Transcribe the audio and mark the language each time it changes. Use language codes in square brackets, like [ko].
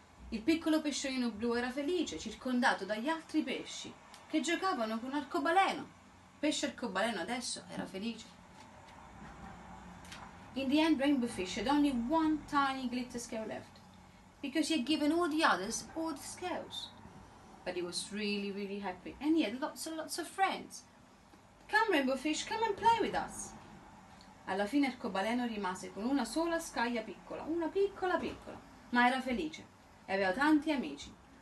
[it] Il piccolo pesciolino blu era felice, circondato dagli altri pesci che giocavano con arcobaleno. Pesce arcobaleno adesso era felice. [en] In the end, Rainbow Fish had only one tiny glitter scale left because he had given all the others all the scales. But he was really, really happy and he had lots and lots of friends. Come, Rainbow Fish, come and play with us. [it] Alla fine arcobaleno rimase con una sola scaglia piccola, una piccola piccola, ma era felice e aveva tanti amici.